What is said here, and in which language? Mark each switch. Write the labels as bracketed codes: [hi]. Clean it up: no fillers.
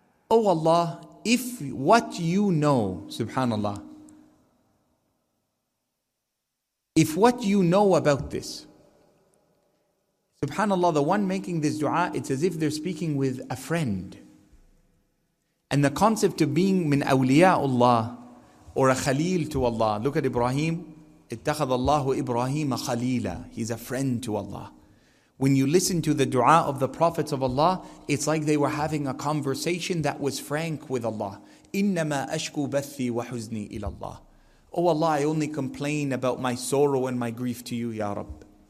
[en] O Allah, if what you know, subhanAllah, if what you know about this, subhanAllah, the one making this dua, it's as if they're speaking with a friend. And the concept of being min awliya'ullah or a khalil to Allah. Look at Ibrahim. [ar] اتخذ الله إبراهيم خليلا. [en] He's a friend to Allah. When you listen to the dua of the prophets of Allah, it's like they were having a conversation that was frank with Allah. [ar] إِنَّمَا أَشْكُوا بَثِّي وَحُزْنِي إِلَى اللَّهِ. [en] Oh Allah, I only complain about my sorrow and my grief to you, Ya Rabb.